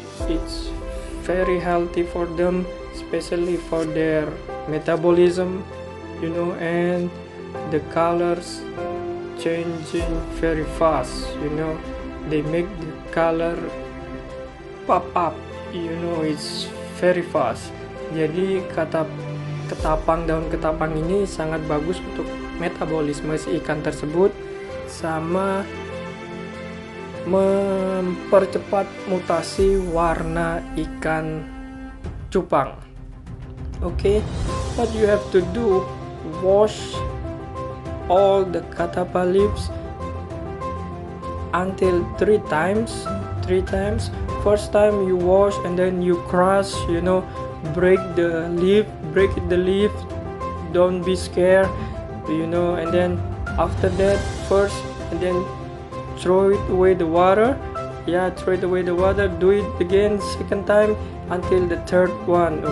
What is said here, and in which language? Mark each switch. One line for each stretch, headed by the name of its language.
English: It's very healthy for them, especially for their metabolism, you know, and the colors changing very fast, you know, they make the color pop up, you know, it's very fast.
Indonesian: Jadi kata ketapang, daun ketapang ini sangat bagus untuk metabolisme si ikan tersebut, sama mempercepat mutasi warna ikan cupang.
English: Okay, what you have to do, wash all the katapa leaves until three times. First time you wash and then you crush, you know, break the leaf, don't be scared, you know, and then after that first and then throw it away the water, do it again second time until the third one.